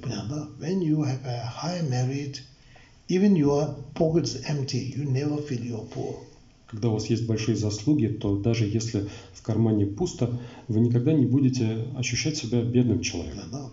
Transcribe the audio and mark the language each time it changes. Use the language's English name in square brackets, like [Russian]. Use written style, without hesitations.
[Russian] Понятно? [English] When you have a high merit, even your pockets empty, you never feel you're poor. [Russian] Когда у вас есть большие заслуги, то даже если в кармане пусто, вы никогда не будете ощущать себя бедным человеком.